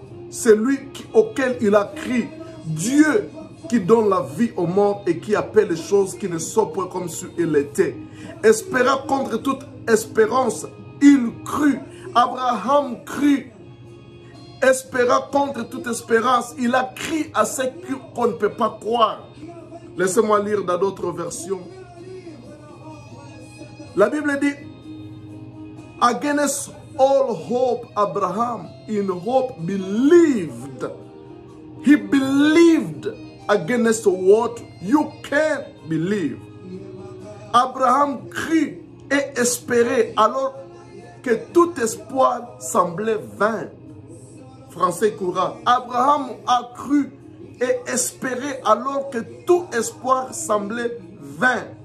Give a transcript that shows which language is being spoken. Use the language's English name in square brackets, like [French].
[French] C'est lui auquel il a crié. Dieu qui donne la vie aux morts et qui appelle les choses qui ne sont point comme si elles étaient. Espérant contre toute espérance, il crut. Abraham crut. Espérant contre toute espérance, il a crié à ce qu'on ne peut pas croire. Laissez-moi lire dans d'autres versions. La Bible dit, [English] against all hope, Abraham, in hope, believed. He believed against what you can believe. [French] Abraham crut et espérait alors que tout espoir semblait vain. Français courant. Abraham a cru et espéré alors que tout espoir semblait vain.